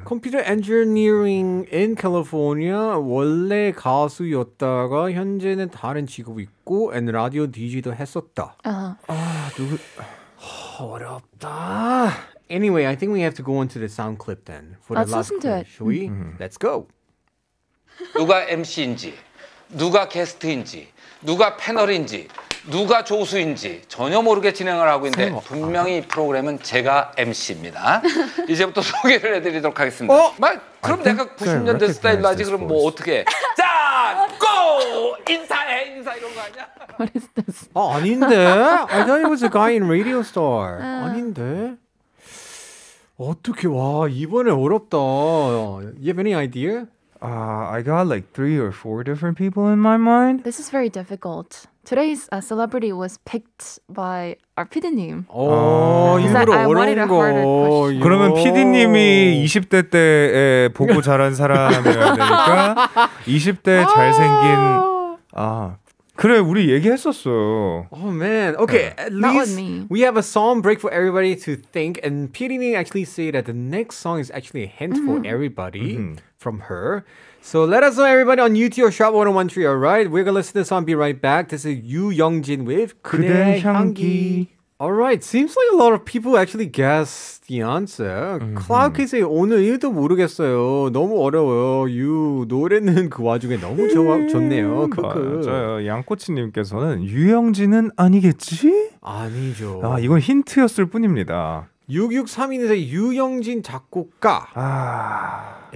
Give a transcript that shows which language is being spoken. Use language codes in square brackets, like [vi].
[en] Computer engineering in California. [ko] 원래 가수였다가 현재는 다른 직업 있고 and radio DJ도 했었다. [en] Uh-huh. [ko] 아, 누구... 어렵다. [en] Anyway, I think we have to go on to the sound clip then. For Let's the last listen clip. Shall we? Let's go. [ko] 누가 MC인지, 누가 게스트인지, 누가 패널인지, 누가 조수인지 전혀 모르게 진행을 하고 있는데 분명히 이 프로그램은 제가 MC입니다. 이제부터 소개를 해드리도록 하겠습니다. 그럼 내가 90년대 스타일로 하지 그럼 뭐 어떻게 자, 고! 인사해! 인사 이런 거 아니야? [en] What is this? [ko] 아, 아닌데? [en] I thought it was a guy in Radio Star. [ko] 아닌데? 어떻게, 와, 이번에 어렵다. [en] You have any idea? I got like 3 or 4 different people in my mind. This is very difficult. Today's celebrity was picked by our PD님. Oh, you wanted a harder question. [ko] 그러면 PD님이 20대 때에 보고 자란 사람이라 되니까 20대 잘생긴 그래 우리 얘기했었어. [en] Oh man. Okay, at least we have a song break for everybody to think and PD님 actually said that the next song is actually a hint for everybody. From her. So let us know, everybody, on YouTube or Sharp 1013, all right? We're going to listen to this song, be right back. This is Yoo Young-jin with [ko] 그대 향기. 향기. [en] All right. Seems like a lot of people actually guessed the answer. Cloud can say [ko] 오늘 1도 모르겠어요. 너무 어려워요. 유 노래는 그 와중에 너무 좋아하고 좋네요. 맞아요. 양꼬치님께서는 유영진은 아니겠지? 아니죠. 아 이건 힌트였을 뿐입니다. 6632님에서 유영진 작곡가. 아...